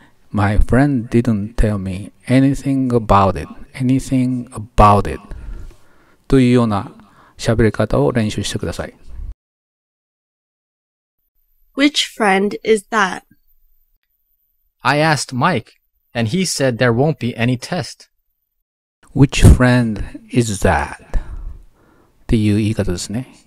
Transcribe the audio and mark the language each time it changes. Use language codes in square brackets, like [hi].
[en] My friend didn't tell me anything about it. Anything about it. [ja] というような喋り方を練習してください。 [en] Which friend is that? I asked Mike, and he said there won't be any test. Which friend is that? [ja] っていう言い方ですね。